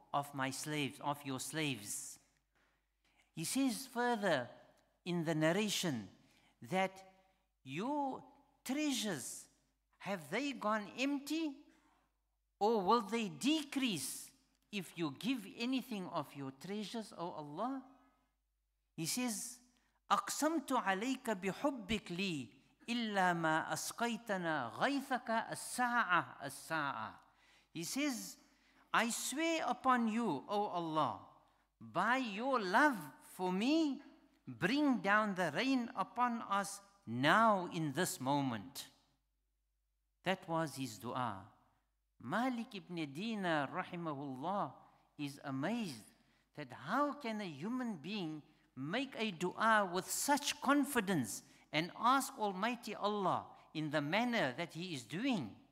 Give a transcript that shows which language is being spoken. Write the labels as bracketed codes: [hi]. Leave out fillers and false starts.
[en] of my slaves, of your slaves. He says further in the narration that your treasures, have they gone empty, or will they decrease if you give anything of your treasures, O Allah? He says, [ar] أَقْسَمْتُ عَلَيْكَ بِحُبِّكْ لِي إِلَّا مَا أَسْقَيْتَنَا غَيْثَكَ السَّاعَةَ السَّاعَةَ. [en] He says, I swear upon you, O Allah, by your love for me, bring down the rain upon us now in this moment. That was his dua. Malik ibn Dinar rahimahullah is amazed that how can a human being make a dua with such confidence and ask Almighty Allah in the manner that he is doing.